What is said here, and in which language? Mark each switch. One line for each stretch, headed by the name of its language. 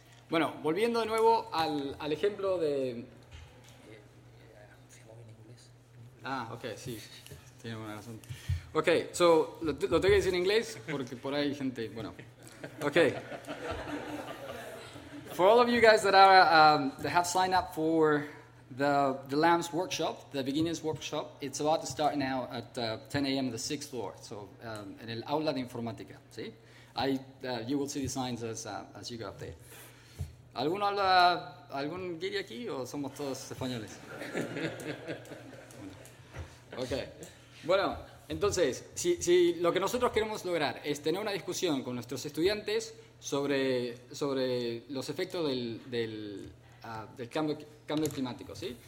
Spanish: Bueno, volviendo de nuevo al ejemplo de... Ah, ok, sí, tiene buena razón. Ok, so, lo tengo que decir en inglés porque por ahí hay gente, bueno. Ok.
English: For all of you guys that have signed up for the LAMS workshop, the beginners workshop, it's about to start now at 10 a.m. on the sixth floor, so
Spanish: en el aula de informática, ¿sí?
English: You will see the signs as you go up there.
Spanish: ¿Alguno habla, algún guiri aquí o somos todos españoles? Ok, bueno. Entonces, si lo que nosotros queremos lograr es tener una discusión con nuestros estudiantes sobre los efectos del cambio climático, ¿sí?